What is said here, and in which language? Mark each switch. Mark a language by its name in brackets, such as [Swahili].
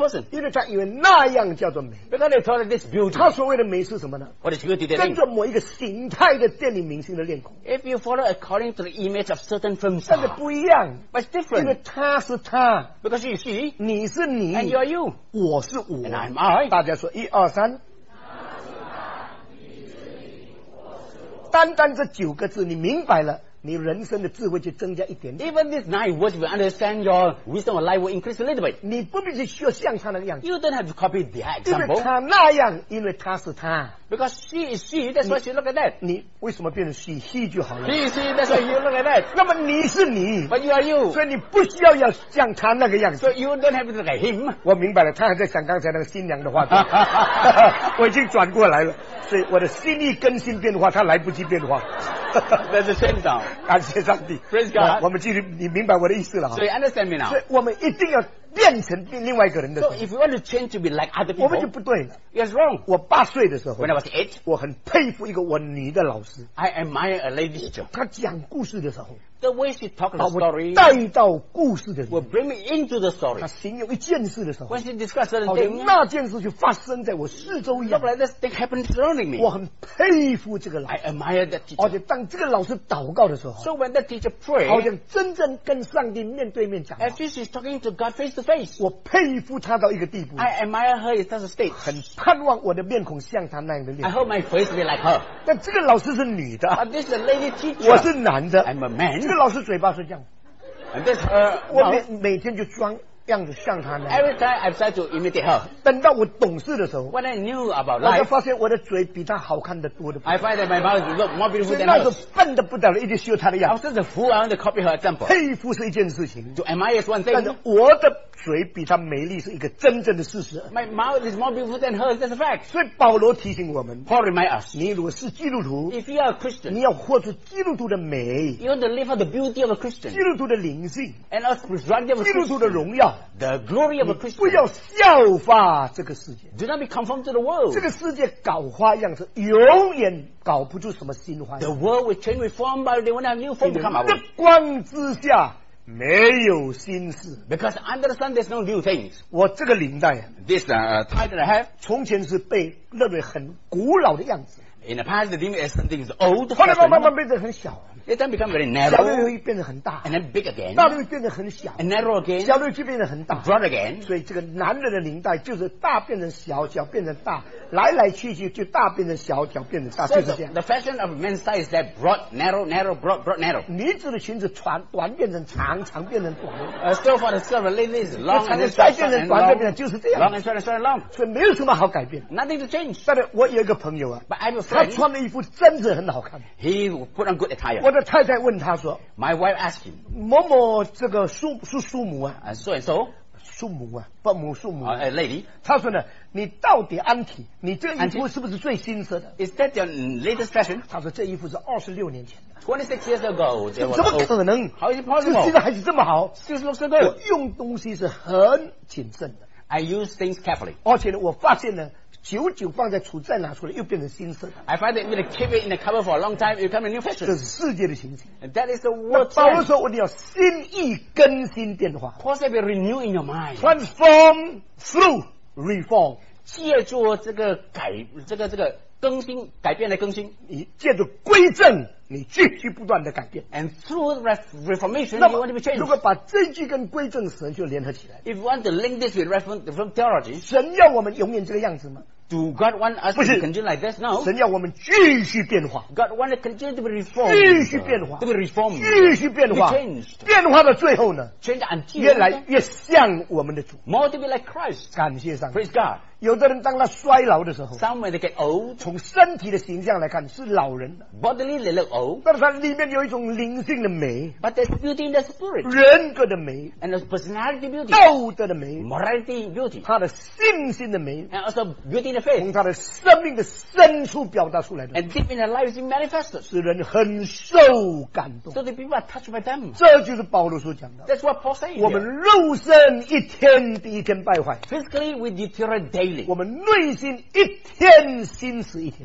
[Chinese] 因为他以为那样叫做美 [English] Because they thought this beauty [Chinese] 他所谓的美是什么呢 [English] What is beauty [Chinese] 跟着某一个形态的电影明星的脸孔 [English] If you follow according to the image of certain film star [Chinese] 但是不一样 [English] But it's different [Chinese] 因为他是他 [English] Because you see [Chinese] 你是你 [English] And you are you [Chinese] 我是我 [English] And I'm I [Chinese] 大家说一二三 单单这九个字 你明白了 你人生的智慧就增加一点点 [English] Even this 9 words will understand your wisdom of life will increase a little bit [Chinese] 你不必须需要像他那个样子 [English] You don't have to copy the example [Chinese] 因为他那样因为他是他 [English] Because she is she That's why she look at that [Chinese] 你为什么变成 she he 就好了 [English] She is she That's why you look at that [Chinese] 那么你是你 [English] But you are you [Chinese] 所以你不需要像他那个样子 [English] So you don't have to look at him [Chinese] 我明白了他还在想刚才那个新娘的话我已经转过来了所以我的心意更新变化他来不及变化 [English] That's the same song [Chinese] 感谢上帝 [English] Praise God [Chinese] 我们继续你明白我的意思了 [English] So you understand me now [Chinese] 所以我们一定要变成另外一个人的 [English] So if you want to change to be like other people [Chinese] 我们就不对了 [English] It's wrong [Chinese] 我8岁的时候 [English] When I was 8 [Chinese] 我很佩服一个我女的老师 [English] I admire a lady teacher [Chinese] 她讲故事的时候 [English] The way she talked the story [Chinese] 把我带到故事的时候 [English] Will bring me into the story [Chinese] 她形容一件事的时候 [English] When she discussed certain things [Chinese] 好像那件事就发生在我四周一样 [English] Look like this thing happened surrounding me [Chinese] 我很佩服这个老师 [English] I admire that teacher [Chinese] 而且当这个老师祷告的时候 [English] So when that teacher prayed [Chinese] 好像真正跟上帝面对面讲话 [English] As if she's talking to God face to face [Chinese] 我佩服她到一个地步 [English] I admire her in such a state [Chinese] 很盼望我的面孔像她那样的脸 [English] I hope my face be like her [Chinese] 但这个老师是女的 [English] This is a lady teacher [Chinese] 我是男的 [English] I'm a man [Chinese] 这个老师嘴巴是这样 [English] And this, [Chinese] 我每天就装样子像他那样 [English] Every time I try to imitate her [Chinese] 等到我懂事的时候 [English] When I knew about life [Chinese] 我就发现我的嘴比他好看得多的不得了 [English] I find that my mouth looks more beautiful than hers [Chinese] 所以那时候笨得不得了一直学他的样 [English] I was just a fool I want to copy her example [Chinese] 佩服是一件事情 [English] To admire is one thing [Chinese] 但是我的嘴比他美丽是一个真正的事实 [English] My mouth is more beautiful than hers That's a fact [Chinese] 所以保罗提醒我们 [English] Paul remind us [Chinese] 你如果是基督徒 [English] If you are a Christian [Chinese] 你要活出基督徒的美 [English] You want to live out the beauty of a Christian [Chinese] 基督徒的灵性 [English] And us presumptive of a Christian [Chinese] 基督徒的荣耀 [English] The glory of a Christian [Chinese] 你不要效法这个世界 [English] Do not be conformed to the world [Chinese] 这个世界搞花样是永远搞不出什么新花样 [English] The world will change reform But they won't have new form to come out [Chinese] 日光之下 没有新事 [English] Because under the sun there's no new things [Chinese] 我这个领带 [English] This tie that I have [Chinese] 从前是被认为很古老的样子 [English] In the past the thing is something is old [Chinese] 后来慢慢变得很小 [English] It then become very narrow [Chinese] 小路又变得很大 [English] And then big again [Chinese] 大路又变得很小 [English] And narrow again [Chinese] 小路又变得很大 [English] Broad again [Chinese] 所以这个男人的领带就是大变成小小变成大 来来去去就大变成小小变成大 就是这样 [English] The fashion of men's size is that broad narrow narrow broad broad narrow [Chinese] 女子的裙子短变成长长变成短 [English] So for the skirt of a lady is long and short and long [Chinese] 就是这样 [English] Long and short and short and long [Chinese] 所以没有什么好改变 [English] Nothing to change [Chinese] 但是我有一个朋友啊 [English] But I have a friend [Chinese] 他穿的衣服真的很好看 [English] He put on good attire [Chinese] 我的太太问他说 [English] My wife asked him [Chinese] 某某这个叔叔母啊 [English] So and so [Chinese] 叔母啊伯母叔母 [English] A lady [Chinese] 他说呢 你到底auntie 你这衣服是不是最新式的 [English] Is that your latest fashion [Chinese] 他说这衣服是26年前的 [English] 26 years ago [Chinese] 怎么可能 [English] How is it possible [Chinese] 现在还是这么好 [English] Still looks so good [Chinese] 我用东西是很谨慎的 [English] I use things carefully [Chinese] 而且呢我发现呢 久久放在储藏拿出来又变成新色。I [English] find that if you keep it in the cupboard for a long time, it becomes a new fashion. [Chinese] 这是世界的情形。 [English] That is the world. [Chinese] 那保罗说，我们要心意更新变化。 [English] Possibly renew in your mind. Transform through reform. [Chinese] 借助这个改这个这个。这个更新改变来更新，你借着归正你继续不断的改变。 [English] And through reformation, you want to be changed. [Chinese] 如果把这句跟归正神就联合起来。 [English] If you want to link this with reform theology, [Chinese] 神要我们永远这个样子吗？ [English] Do God want us to continue like this now? [Chinese] 神要我们继续变化。 [English] God want to continue to be reformed. [Chinese] 继续变化。 [English] To be reformed. [Chinese] 继续变化。 [English] To be changed. [Chinese] 变化的最后呢？ [English] Change until [Chinese] 越来越像我们的主。 [English] More to be like Christ. [Chinese] 感谢上帝。 [English] Praise God. [Chinese] 有的人当他衰老的时候 [English] Some when they get old, [Chinese] 从身体的形象来看是老人的 [English] Bodily they look old, [Chinese] 但是他里面有一种灵性的美 [English] But there's beauty in the spirit [Chinese] 人格的美 [English] And there's personality beauty [Chinese] 道德的美 [English] Morality beauty [Chinese] 他的信心的美 [English] And also beauty in the faith [Chinese] 从他的生命的深处表达出来的 [English] And deep in the life is manifested [Chinese] 使人很受感动 [English] So the people are touched by them [Chinese] 这就是保罗所讲的 [English] That's what Paul said [Chinese] 我们肉身一天比一天败坏 [English] Physically we deteriorate daily [Chinese] 我们内心一天心思一天